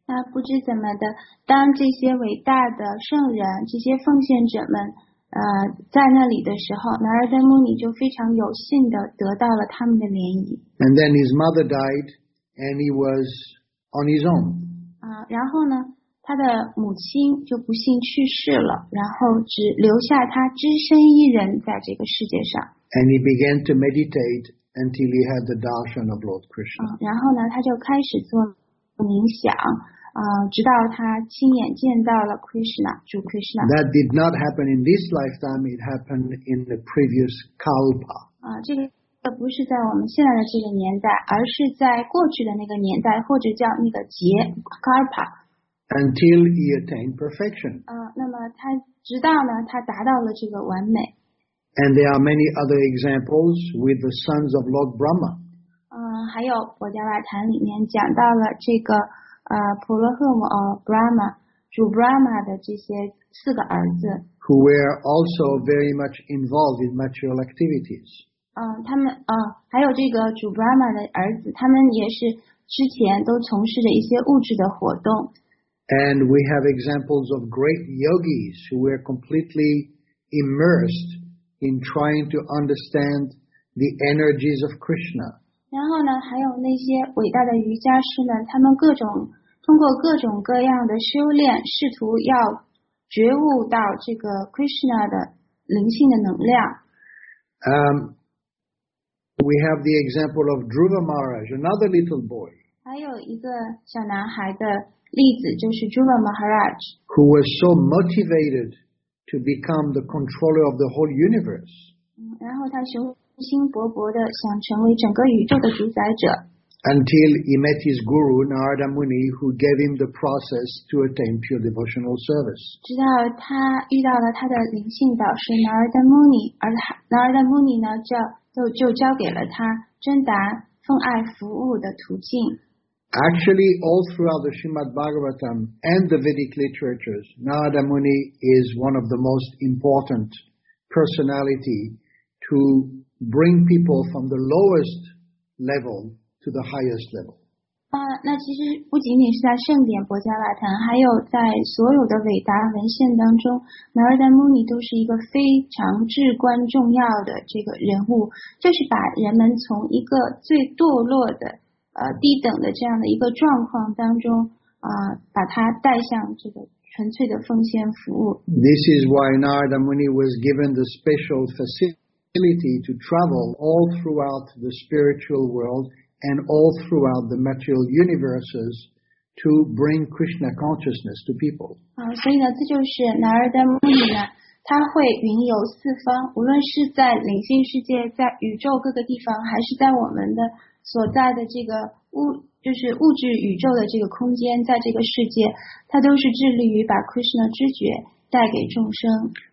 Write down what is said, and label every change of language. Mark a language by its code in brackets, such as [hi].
[zh] 那不知怎么的，当这些伟大的圣人、这些奉献者们，在那里的时候，南尔丹穆尼就非常有幸的得到了他们的联谊。 [en] And then his mother died, and he was on his own. [zh] 然后呢，他的母亲就不幸去世了，然后只留下他只身一人在这个世界上。 [en] And he began to meditate until he had the darshan of Lord Krishna. [zh] 然后呢，他就开始做。冥想，直到他亲眼见到了 Krishna， 主 Krishna。 [en] That did not happen in this lifetime. It happened in the previous kalpa. [zh] 这个不是在我们现在的这个年代，而是在过去的那个年代，或者叫那个劫 kalpa。 [en] Until he attained perfection. [zh] 那么他直到呢，他达到了这个完美。 [en] And there are many other examples with the sons of Lord Brahma. [zh] 还有《博伽瓦坛》里面讲到了这个婆罗赫摩 Brahma 主 Brahma 的这些四个儿子 [en] ，who were also very much involved in material activities。 [zh] 他们还有这个主 Brahma 的儿子，他们也是之前都从事着一些物质的活动。 [en] And we have examples of great yogis who were completely immersed in trying to understand the energies of Krishna. [zh] 然后呢，还有那些伟大的瑜伽师呢，他们通过各种各样的修炼，试图要觉悟到这个 Krishna 的灵性的能量。 [en] We have the example of Dhruva Maharaj, another little boy. [zh] 还有一个小男孩的例子就是 Dhruva Maharaj, [en] who was so motivated to become the controller of the whole universe. [zh] 然后他说。心勃勃的想成为整个宇宙的主宰者。 [en] Until he met his guru Narada Muni, who gave him the process to attain pure devotional service. [zh] 直到他遇到了他的灵性导师 Narada Muni, 而 Narada Muni 呢就交给了他真达奉爱服务的途径。 [en] Actually, all throughout the Srimad Bhagavatam and the Vedic literatures, Narada Muni is one of the most important personality to. Bring people from the lowest level to the highest level. [zh] 那其实不仅仅是在圣典博伽瓦坛，还有在所有的伟达文献当中 ，Narada Muni 都是一个非常至关重要的这个人物，就是把人们从一个最堕落的低等的这样的一个状况当中把它带向这个纯粹的奉献服务。 [en] This is why Narada Muni was given the special facility. Ability to travel all throughout the spiritual world and all throughout the material universes to bring Krishna consciousness to people. [zh] 所以呢，这就是 Narada Muni 呢，他会云游四方，无论是在灵性世界，在宇宙各个地方，还是在我们的所在的这个就是物质宇宙的这个空间，在这个世界，他都是致力于把 Krishna 知觉带给众生。